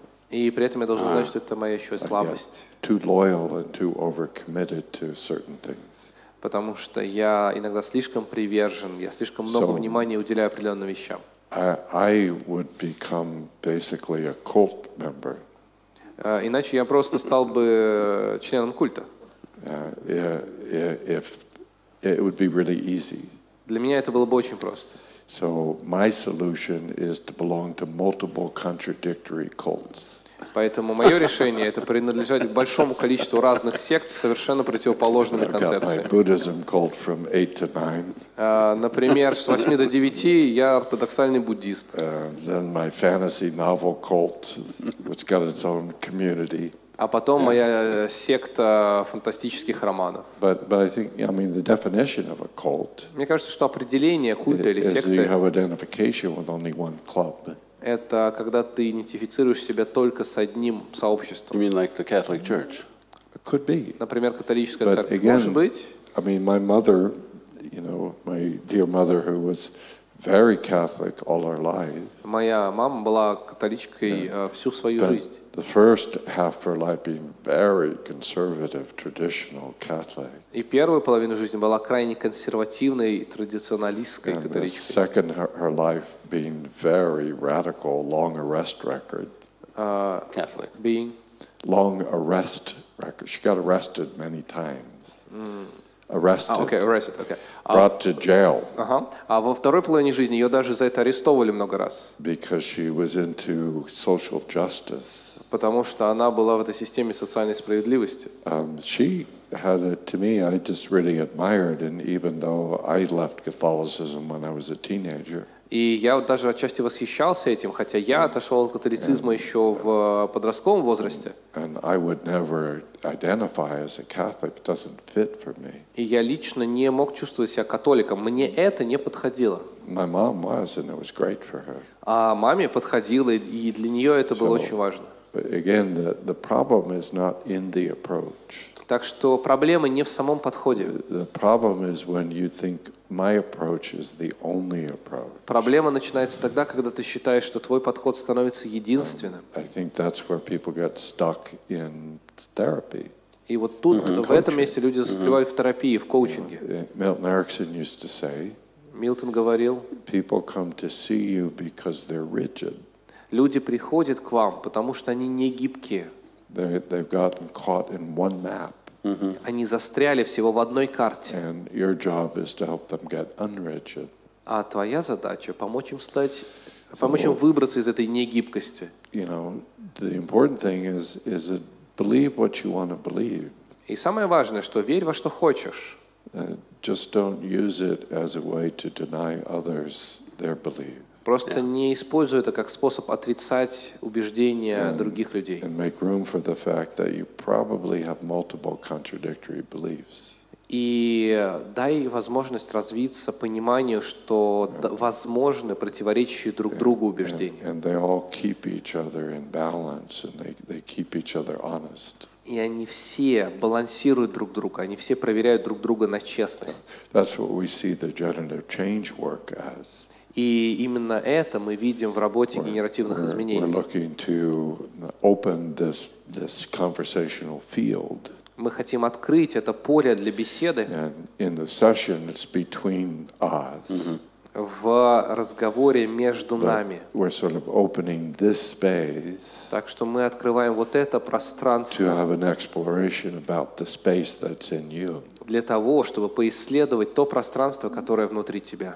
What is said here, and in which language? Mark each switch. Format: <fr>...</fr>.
<ru>И при этом я должен знать, что это моя еще слабость.</ru> <en>Too loyal and too overcommitted to certain things.</en> <ru>Потому что я иногда слишком привержен, я слишком много внимания уделяю определенным вещам.</ru> <en>I would become basically a cult member.</en> <ru>Иначе я просто стал бы членом культа.</ru> <en>If it would be really easy.</en> <ru>Для меня это было бы очень просто.</ru> <en>So my solution is to belong to multiple contradictory cults.</en> <ru>Поэтому мое решение это принадлежать к большому количеству разных сект с совершенно противоположными концепциями.</ru> <en>I've got my Buddhism cult from 8 to 9.</en> <ru>Например, с 8 до 9 я ортодоксальный буддист.</ru> <en>Then my fantasy novel cult, which got its own community.</en> <ru>А потом моя секта фантастических романов.</ru> <en>But I think, I mean, the definition of a cult.</en> <ru>Мне кажется, что определение культа или секты.</ru> <en>Is you have identification with only one club.</en> <ru>Это когда ты идентифицируешь себя только с одним сообществом.</ru> <en>You mean like the Catholic Church? Could be.</en> <ru>Например, католическая</ru> <en>But</en> <ru>церковь.</ru> <en>Again,</en> <ru>может быть.</ru> <en>I mean, my mother, you know, my dear mother, who was very Catholic all her life.</en> <ru>Моя мама была католичкой всю свою жизнь.</ru> <en>The first half of her life being very conservative, traditional Catholic.</en> <ru>И первую половину жизни была крайне консервативной, традиционалистской католичкой.</ru> <en>And the second her life being very radical, long arrest record. Catholic. Being. Long arrest record. She got arrested many times. Mm. Arrested. Okay, arrested. Okay. Brought to jail.</en> <ru>А во второй половине жизни ее даже за это арестовывали много раз.</ru> <en>Because she was into social justice.</en> <ru>Потому что она была в этой системе социальной справедливости.</ru> <en>She had it to me. I just really admired, and even though I left Catholicism when I was a teenager.</en> <ru>И я даже отчасти восхищался этим, хотя я отошел от католицизма еще в подростковом возрасте.</ru> <en>And I would never identify as a Catholic. Doesn't fit for me.</en> <ru>И я лично не мог чувствовать себя католиком. Мне это не подходило.</ru> <en>My mom was, and it was great for her.</en> <ru>А маме подходило, и для нее это было очень важно.</ru> <en>Again, the problem is not in the approach.</en> <ru>Так что проблема не в самом подходе.</ru> <en>The problem is when you think my approach is the only approach.</en> <ru>Проблема начинается тогда, когда ты считаешь, что твой подход становится единственным.</ru> <en>I think that's where people get stuck in therapy.</en> <ru>И вот тут, в этом месте люди застревают в терапии, в коучинге.</ru> <en>Milton Erickson used to say,</en> <ru>Milton говорил,</ru> <en>people come to see you because they're rigid.</en> <ru>Люди приходят к вам, потому что они не гибкие.</ru> <en>They've gotten caught in one map.</en> <ru>Они застряли всего в одной карте.</ru> <en>And your job is to help them get unrigid.</en> <ru>А твоя задача помочь им стать, помочь им выбраться из этой негибкости.</ru> <en>You know, the important thing is believe what you want to believe.</en> <ru>И самое важное, что верь во что хочешь.</ru> <en>Just don't use it as a way to deny others their belief.</en> <ru>Просто не используй это как способ отрицать убеждения других людей.</ru> <en>And make room for the fact that you probably have multiple contradictory beliefs.</en> <ru>И дай возможность развиться пониманию, что возможны противоречащие друг другу убеждения.</ru> <en>And they all keep each other in balance, and they keep each other honest.</en> <ru>И они все балансируют друг друга, они все проверяют друг друга на честность.</ru> <en>That's what we see the generative change work as.</en> <ru>И именно это мы видим в работе генеративных изменений.</ru> <en>We're looking to open this conversational field.</en> <ru>Мы хотим открыть это поле для беседы.</ru> <en>And in the session, it's between us.</en> <ru>В разговоре между нами.</ru> <en>We're sort of opening this space.</en> <ru>Так что мы открываем вот это пространство.</ru> <en>To have an exploration about the space that's in you.</en> <ru>Для того, чтобы поисследовать то пространство, которое внутри тебя.</ru>